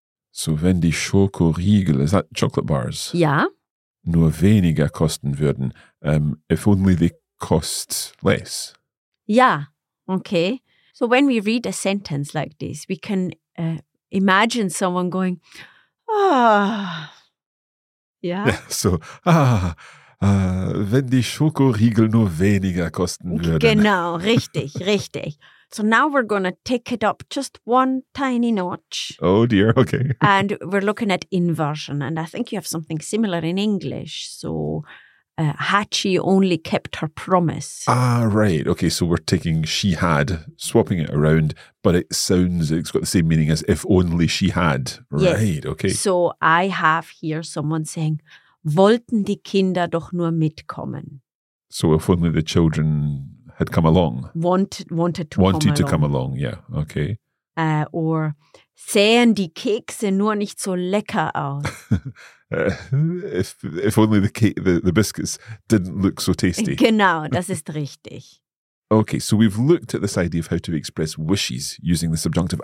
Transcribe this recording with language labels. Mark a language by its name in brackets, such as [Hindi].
[German] So, wenn die Schokoriegel, [English] is that chocolate bars? Yeah. [German] Nur weniger kosten würden. [English] If only they cost less. Yeah. Okay. So, when we read a sentence like this, we can imagine someone going, ah. Yeah. [German] So, wenn die Schokoriegel nur weniger kosten würden. Genau, richtig, richtig. [English] So now we're going to take it up just one tiny notch. Oh dear, okay. And we're looking at inversion. And I think you have something similar in English. So Hachi only kept her promise. Ah, right. Okay, so we're taking she had, swapping it around, but it sounds, it's got the same meaning as if only she had. Right, yes. Okay. So I have here someone saying, [German] wollten die Kinder doch nur mitkommen. [English] So if only the children had come along. Wanted to come along, yeah, okay. Or sehen die Kekse nur nicht so lecker aus. if only the biscuits didn't look so tasty. [German] Genau, das ist richtig. [English] Okay, so we've looked at this idea of how to express wishes using the subjunctive.